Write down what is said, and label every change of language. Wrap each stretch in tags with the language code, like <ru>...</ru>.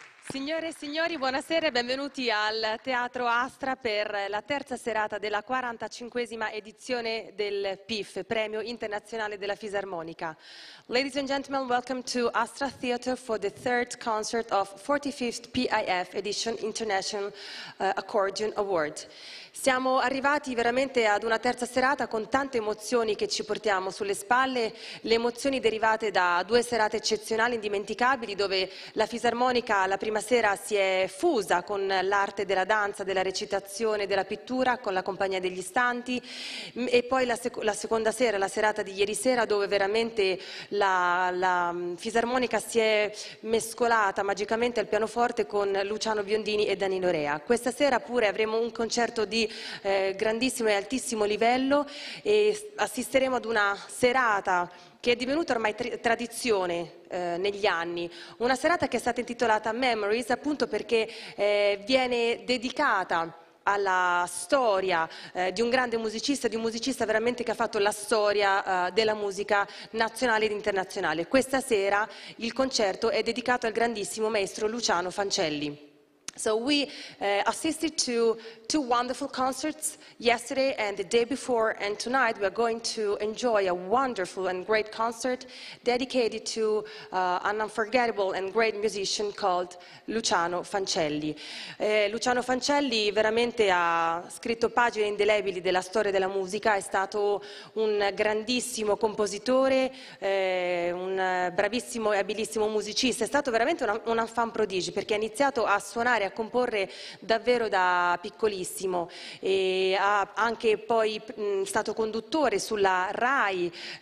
<it>Signore e signori, buonasera e benvenuti al Teatro Astra per la terza serata della 45esima edizione del PIF, Premio Internazionale della Fisarmonica.</it> <en>Ladies and gentlemen, welcome to Astra Theatre for the third concert of 45th PIF Edition International Accordion Award.</en> <it>Siamo arrivati veramente ad una terza serata con tante emozioni che ci portiamo sulle spalle, le emozioni derivate da due serate eccezionali, indimenticabili, dove la fisarmonica la prima sera si è fusa con l'arte della danza, della recitazione, della pittura, con la compagnia degli Stanti, e poi la seconda sera, la serata di ieri sera, dove veramente la fisarmonica si è mescolata magicamente al pianoforte con Luciano Biondini e Danilo Rea. Questa sera pure avremo un concerto di grandissimo e altissimo livello e assisteremo ad una serata che è divenuta ormai tradizione negli anni, una serata che è stata intitolata Memories appunto perché viene dedicata alla storia di un grande musicista, di un musicista veramente che ha fatto la storia della musica nazionale ed internazionale. Questa sera il concerto è dedicato al grandissimo maestro Luciano Fancelli.</it> <en>So we assisted to two wonderful concerts yesterday and the day before, and tonight we are going to enjoy a wonderful and great concert dedicated to an unforgettable and great musician called Luciano Fancelli.</en> <it>Luciano Fancelli veramente ha scritto pagine indelebili della storia della musica, è stato un grandissimo compositore, un bravissimo e abilissimo musicista, è stato veramente un enfant prodige perché ha iniziato a suonare, a comporre davvero da piccolissimo e ha anche poi stato conduttore sulla RAI</it>